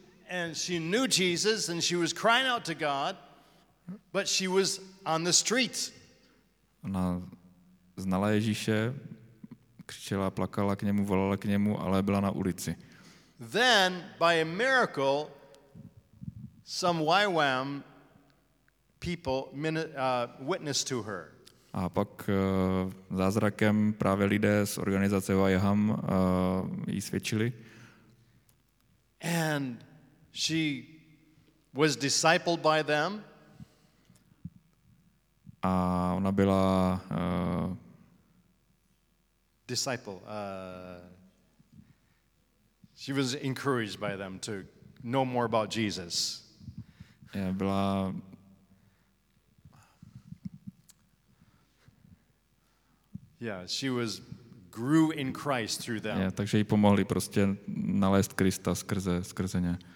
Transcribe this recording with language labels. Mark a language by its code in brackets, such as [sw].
[en] And she knew Jesus and she was crying out to God, but she was on the street. [cs] Ona znala Ježíše, křičela, plakala k němu, volala k němu, ale byla na ulici. [en] Then by a miracle some YWAM people witnessed to her. [cs] A pak zázrakem právě lidé z organizace YHAM jí svědčili. [en] And she was discipled by them. [cs] A ona byla [en] disciple. She was encouraged by them to know more about Jesus. [cs] Byla [en] she grew in Christ through them. [cs] Yeah, takže jí pomohli prostě nalézt Krista skrze ně.